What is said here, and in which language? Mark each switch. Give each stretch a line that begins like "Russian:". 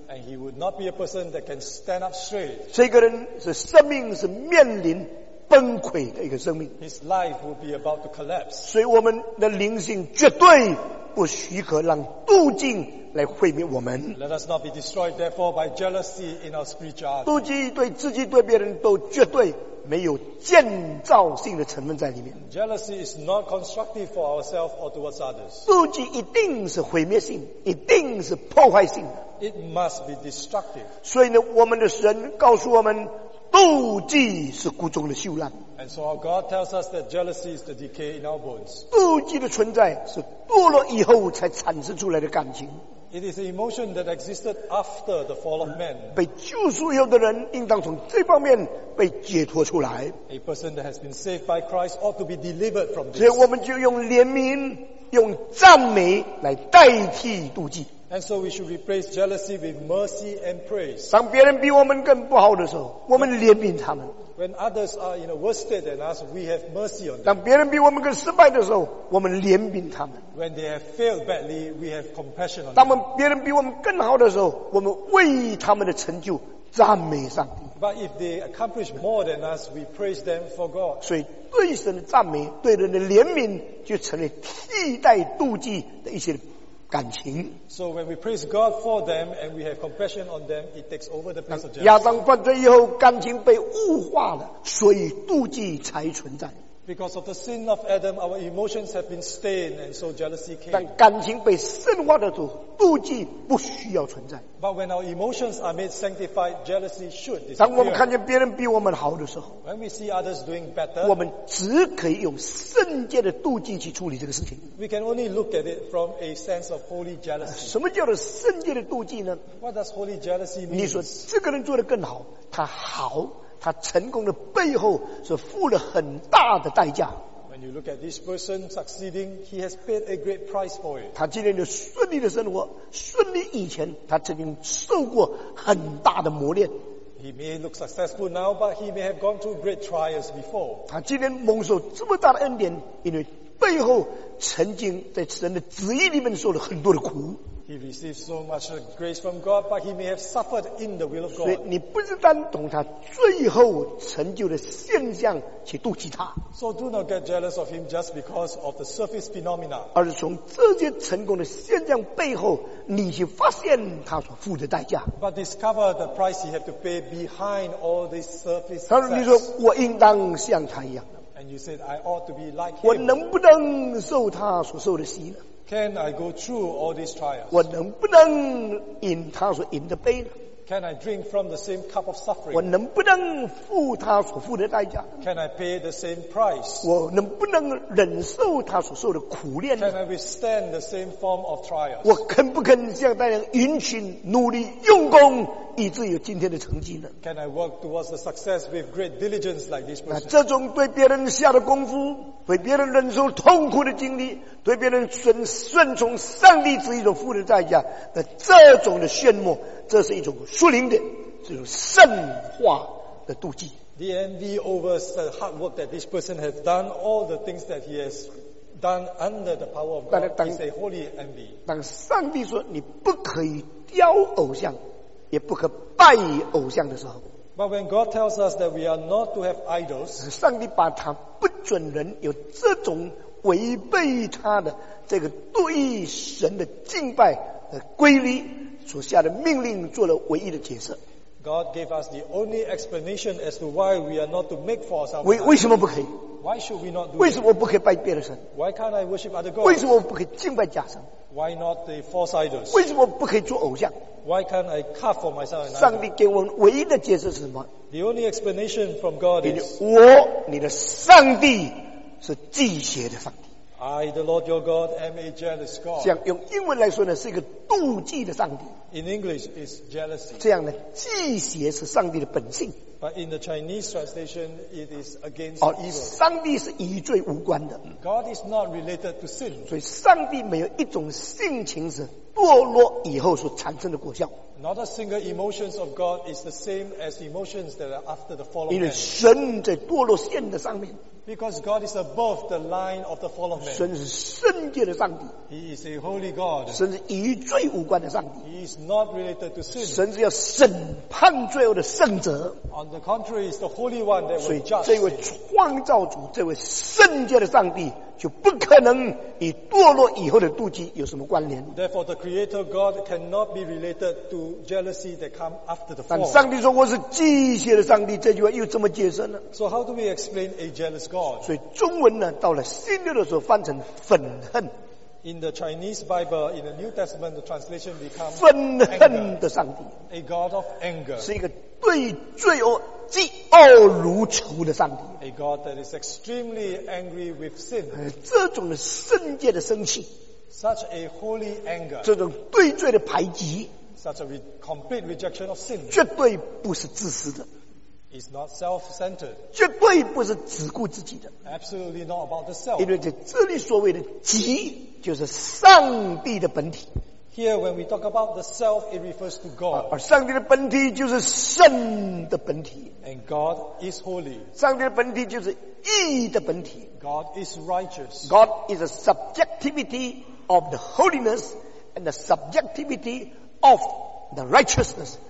English: And he would not be a person that can stand up straight.
Chinese: 这个人是生命是面临崩溃的一个生命。
English: His life will be about to collapse.
Chinese: 所以我们的灵性绝对不许可让妒忌来毁灭我们。
English: Let us not be destroyed therefore by jealousy in our spiritual eyes.
Chinese: 妒忌对自己对别人都绝对没有建造性的成分在里面。
English: Jealousy is not constructive for ourselves or towards others.
Chinese: 妒忌一定是毁灭性，一定是破坏性的。
English: It must be destructive.
Chinese: 所以呢，我们的神告诉我们，妒忌是骨中的锈烂。
English: And so our God tells us that jealousy is the decay in our bones.
Chinese: 妒忌的存在是堕落以后才产生出来的感情。
English: It is an emotion that existed after the fall of man.
Chinese: 被救赎以后的人应当从这方面被解脱出来。
English: A person that has been saved by Christ ought to be delivered from this.
Chinese: 所以我们就用怜悯、用赞美来代替妒忌。
English: And so we should replace jealousy with mercy and praise.
Chinese: 当别人比我们更不好的时候，我们怜悯他们。
English: When others are in a worse state than us, we have mercy on them.
Chinese: 当别人比我们更失败的时候，我们怜悯他们。
English: When they have failed badly, we have compassion on them.
Chinese: 当别人比我们更好的时候，我们为他们的成就赞美上帝。
English: But if they accomplish more than us, we praise them for God.
Chinese: 所以对神的赞美，对人的怜悯，就成了替代妒忌的一些感情。
English: So when we praise God for them and we have compassion on them, it takes over the place of jealousy.
Chinese: 亚当犯罪以后，感情被物化了，所以妒忌才存在。
English: Because of the sin of Adam, our emotions have been stained, and so jealousy came.
Chinese: 但感情被圣化的时候，妒忌不需要存在。
English: But when our emotions are made sanctified, jealousy should disappear.
Chinese: 当我们看见别人比我们好的时候，
English: when we see others doing better,
Chinese: 我们只可以用圣洁的妒忌去处理这个事情。
English: We can only look at it from a sense of holy jealousy.
Chinese: 什么叫做圣洁的妒忌呢？
English: What does holy jealousy mean?
Chinese: 你说这个人做得更好，他好。他成功的背后是付了很大的代价。
English: When you look at this person succeeding, he has paid a great price for it.
Chinese: 他今天的顺利的生活，顺利以前他曾经受过很大的磨练。
English: He may look successful now, but he may have gone through great trials before.
Chinese: 他今天蒙受这么大的恩典，因为背后曾经在神的旨意里面受了很多的苦。
English: He received so much grace from God, but he may have suffered in the will of God.
Chinese: 所以你不是单懂他最后成就的现象去妒忌他。
English: So do not get jealous of him just because of the surface phenomena.
Chinese: 而是从这些成功的现象背后，你去发现他所付的代价。
English: But discover the price he had to pay behind all this surface.
Chinese: 他说：“你说我应当像他一样。”
English: And you said, "I ought to be like him."
Chinese: 我能不能受他所受的洗呢？
English: Can I go through all these trials?
Chinese: 我能不能饮他所饮的杯呢？
English: Can I drink from the same cup of suffering?
Chinese: 我能不能付他所付的代价？
English: Can I pay the same price?
Chinese: 我能不能忍受他所受的苦练
English: 呢？ Can I withstand the same form of trials?
Chinese: 我肯不肯像那样殷勤努力用功，以至于有今天的成绩呢？
English: Can I work towards the success with great diligence like this person?
Chinese: 这种对别人下的功夫，对别人忍受痛苦的经历，对别人顺从上帝旨意所付的代价，那这种的炫目，这是一种属灵的，这种圣化的妒忌。
English: The envy over the hard work that this person has done, all the things that he has done under the power of God is a holy envy.
Chinese: 当上帝说你不可以雕偶像，也不可拜偶像的时候。
English: But when God tells us that we are not to have idols,
Chinese: 上帝把他不准人有这种违背他的这个对神的敬拜的规律所下的命令做了唯一的解释。
English: God gave us the only explanation as to why we are not to make for ourselves.
Chinese: 为什么不可以？
English: Why should we not do?
Chinese: 为什么不可以拜别的神？
English: Why can't I worship other gods?
Chinese: 为什么不可以敬拜假神？
English: Why not the false idols?
Chinese: 为什么不可以做偶像？
English: Why can't I carve for myself an idol?
Chinese: 上帝给我们唯一的解释是什么？
English: The only explanation from God is,
Chinese: 我你的上帝是忌邪的上帝。
English: I, the Lord your God, am a jealous God.
Chinese: 这样用英文来说呢，是一个妒忌的上帝。
English: In English, it's jealousy.
Chinese: 这样呢，忌邪是上帝的本性。
English: But in the Chinese translation, it is against evil.
Chinese: 上帝是与罪无关的。
English: God is not related to sin.
Chinese: 所以上帝没有一种性情是堕落以后所产生的果效。
English: Not a single emotions of God is the same as emotions that are after the fall of man.
Chinese: 因为神在堕落线的上面。
English: Because God is above the line of the fall of man.
Chinese: 神是圣洁的上帝。
English: He is a holy God.
Chinese: 神是与罪无关的上帝。
English: He is not related to sin.
Chinese: 神是要审判罪恶的圣者。
English: On the contrary, is the Holy One that will judge.
Chinese: 所以这位创造主，这位圣洁的上帝，就不可能与堕落以后的妒忌有什么关联。
English: Therefore, the Creator God cannot be related to jealousy that come after the fall.
Chinese: 但上帝说我是忌邪的上帝，这句话又这么解释呢？
English: So how do we explain a jealous God?
Chinese: 所以中文呢，到了新约的时候翻成愤恨。
English: In the Chinese Bible, in the New Testament, the translation becomes
Chinese: 愤恨的上帝
English: ，a God of anger，
Chinese: 是一个对罪恶嫉恶如仇的上帝
English: ，a God that is extremely angry with sin。
Chinese: 这种的圣洁的生气
English: ，such a holy anger，
Chinese: 这种对罪的排挤
English: ，such a complete rejection of sin，
Chinese: 绝对不是自私的。
English: Is not self-centered.
Chinese: 绝对不是只顾自己的。
English: Absolutely not about the self.
Chinese: 因为这里所谓的己，就是上帝的本体。
English: Here, when we talk about the self, it refers to God.
Chinese: 而上帝的本体就是圣的本体。
English: And God is holy.
Chinese: 上帝的本体就是义的本体。
English: God is righteous. God is a subjectivity of the holiness and the subjectivity of the righteousness.